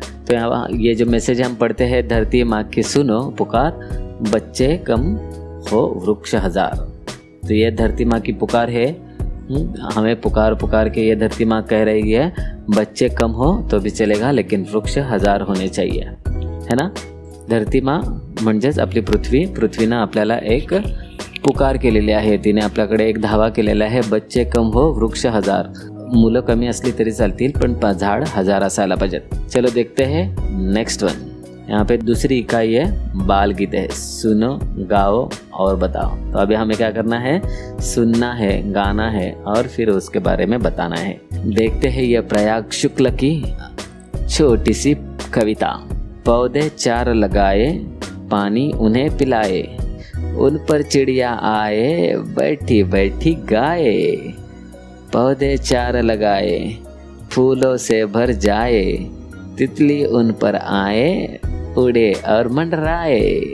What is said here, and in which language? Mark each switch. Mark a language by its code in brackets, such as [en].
[hi] तो यहाँ ये जो मैसेज हम पढ़ते हैं, धरती माँ की सुनो पुकार, बच्चे कम हो वृक्ष हजार. तो ये धरती माँ की पुकार है, हमें पुकार पुकार के ये धरती माँ कह रही है, बच्चे कम हो तो भी चलेगा लेकिन वृक्ष हजार होने चाहिए, है ना. [mr] धरती माँ म्हणजेच आपली पृथ्वी, पृथ्वीनं आपल्याला एक पुकार केलेली आहे, तिने आपल्याकडे एक धावा केलेला आहे, [hi] बच्चे कम हो वृक्ष हजार. [mr] मुलं कमी असली तरी चालतील पण झाड हजार असायला पाहिजेत. [hi] चलो देखते है नेक्स्ट वन. यहाँ पे दूसरी इकाई है बाल गीत है, सुनो गाओ और बताओ. तो अभी हमें क्या करना है, सुनना है, गाना है और फिर उसके बारे में बताना है. देखते है यह प्रयाग शुक्ल की छोटी सी कविता, पौधे चार लगाए पानी उन्हें पिलाए, उन पर चिड़िया आए बैठी बैठी गाए, पौधे चार लगाए फूलों से भर जाए, तितली उन पर आए उड़े और मंडराए,